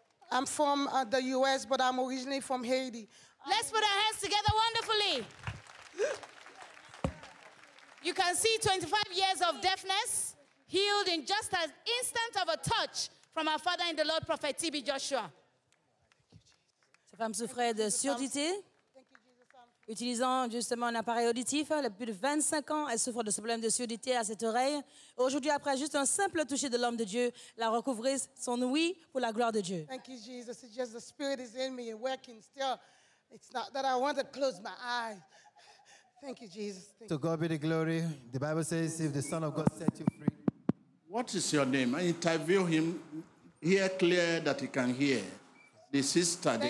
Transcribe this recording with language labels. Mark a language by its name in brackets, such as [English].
[English] I'm from the U.S., but I'm originally from Haiti. Let's put our hands together wonderfully. You can see 25 years of deafness healed in just an instant of a touch from our father in the Lord, Prophet T.B. Joshua. [French] Cette femme souffrait de surdité. Utilisant justement un appareil auditif, depuis de 25 ans, elle souffre de ce problème de surdité à cette oreille. Aujourd'hui, après juste un simple toucher de l'homme de Dieu, la recouvre son oui pour la gloire de Dieu. [English] Thank you, Jesus. It's just the Spirit is in me and working still. It's not that I want to close my eyes. Thank you, Jesus. Thank to God be the glory. The Bible says, if the Son of God set you free. What is your name? I interview him. Hear clear that he can hear. The sister there.